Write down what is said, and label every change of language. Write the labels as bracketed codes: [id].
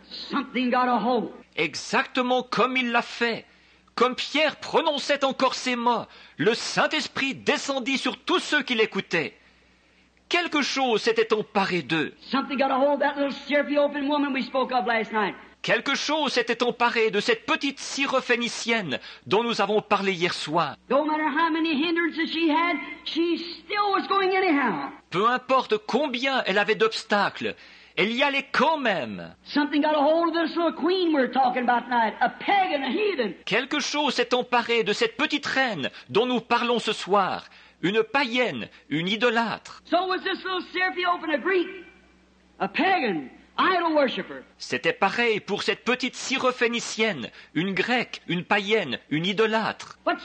[en] Something got a hold. [fr] Exactement comme il l'a fait. Comme Pierre prononçait encore ces mots, le Saint-Esprit descendit sur tous ceux qui l'écoutaient. Quelque chose s'était emparé d'eux. [en] Something got a hold of that little syrupy open woman we spoke of last night. [fr] Quelque chose s'était emparé de cette petite syrophénicienne dont nous avons parlé hier soir. [en] No matter how many hindrances she had, she still was going anyhow. [fr] Peu importe combien elle avait d'obstacles, elle y allait quand même. [en] Something got a hold of this little queen we're talking about tonight, a pagan, a heathen. [fr] Quelque chose s'est emparé de cette petite reine dont nous parlons ce soir, une païenne, une idolâtre. [en] So was this little Syrophoenician, a Greek, a pagan. [fr] C'était pareil pour cette petite syrophénicienne, une grecque, une païenne, une idolâtre.